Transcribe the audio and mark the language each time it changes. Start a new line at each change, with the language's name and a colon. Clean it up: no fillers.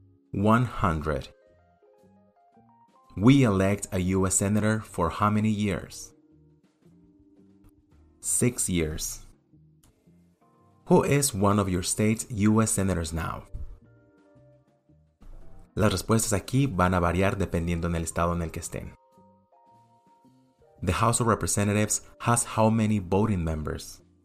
English: 100. We elect a U.S. senator for how many years? 6 years. Who is one of your state's U.S. senators now?
Spanish: Las respuestas aquí van a variar dependiendo en el estado en el que estén.
English: The House of Representatives has how many voting members?